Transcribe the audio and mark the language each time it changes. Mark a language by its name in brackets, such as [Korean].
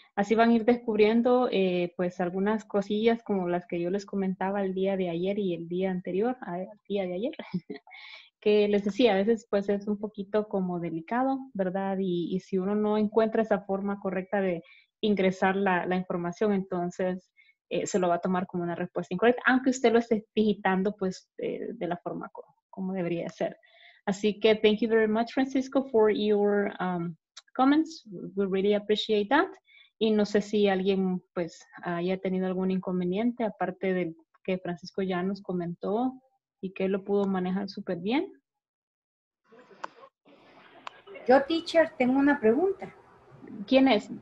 [Spanish] Así van a ir descubriendo, pues, algunas cosillas como las que yo les comentaba el día de ayer y el día anterior, el día de ayer, que les decía, a veces, pues, es un poquito como delicado, ¿verdad? Y si uno no encuentra esa forma correcta de ingresar la información, entonces se lo va a tomar como una respuesta incorrecta, aunque usted lo esté digitando, pues, de la forma como debería ser. Así que, [English] thank you very much, Francisco, for your comments. We really appreciate that. [Spanish] Y no sé si alguien, pues, haya tenido algún inconveniente, aparte del que Francisco ya nos comentó y que lo pudo manejar súper bien. Yo, teacher, tengo una pregunta. ¿Quién es?